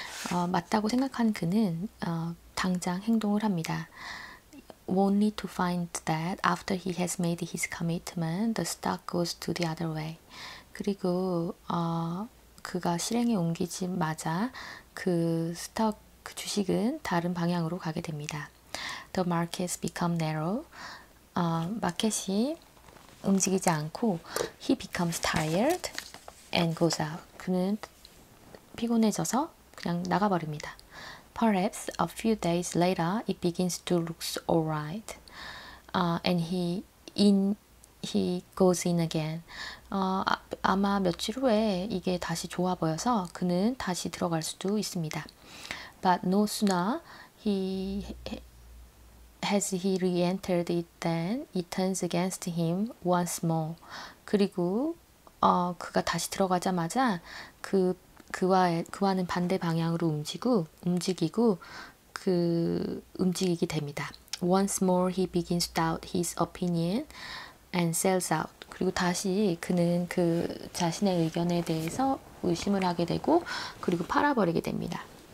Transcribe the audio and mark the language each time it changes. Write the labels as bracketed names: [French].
[Korean] 맞다고 생각한 그는 당장 행동을 합니다. [English] Only to find that after he has made his commitment, the stock goes to the other way. [Korean] 그리고 그가 실행에 옮기자마자 그 스톡 주식은 다른 방향으로 가게 됩니다. [English] The markets become narrow. [Korean] 마켓이 움직이지 않고 [English] he becomes tired and goes out. [Korean] 그는 피곤해져서 그냥 나가버립니다. [English] Perhaps a few days later it begins to look alright. And he goes in again. [Korean] 아마 며칠 후에 이게 다시 좋아 보여서 그는 다시 들어갈 수도 있습니다. [English] But no sooner has he re-entered it than it turns against him once more. [Korean] 그리고 그가 다시 들어가자마자 그와는 반대 방향으로 움직이게 됩니다. [English] Once more he begins to doubt his opinion and sells out. [Korean] 그리고 다시 그는 그 자신의 의견에 대해서 의심을 하게 되고 그리고 팔아버리게 됩니다.